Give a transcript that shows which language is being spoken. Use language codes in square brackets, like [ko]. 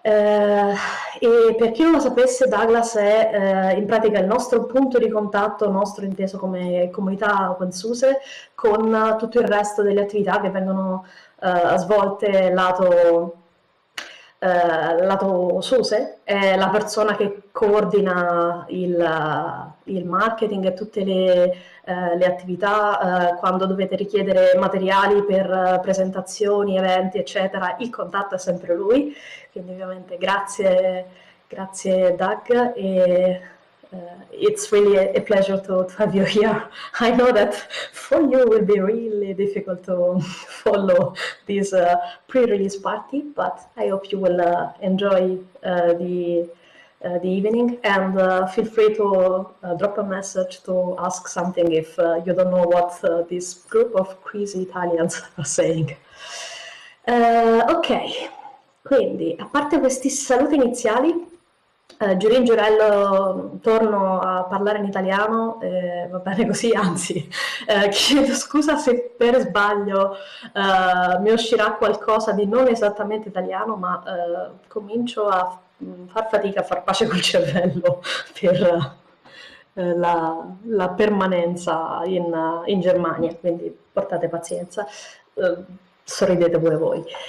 [it] E per chi non lo sapesse, Douglas è in pratica il nostro punto di contatto, nostro inteso come comunità OpenSUSE, con tutto il resto delle attività che vengono svolte lato SUSE. È la persona che coordina il marketing e tutte le attività quando dovete richiedere materiali per presentazioni, eventi, eccetera. Il contatto è sempre lui. Quindi ovviamente grazie Doug, e [en] it's really a pleasure to have you here. I know that for you will be really difficult to follow this pre-release party, but I hope you will enjoy the evening, and feel free to drop a message to ask something if you don't know what this group of crazy Italians are saying. [it] Ok, quindi a parte questi saluti iniziali, giurì in giurello torno a parlare in italiano, va bene così, anzi, chiedo scusa se per sbaglio mi uscirà qualcosa di non esattamente italiano, ma comincio a far fatica a far pace col cervello per la permanenza in Germania, quindi portate pazienza, sorridete pure voi.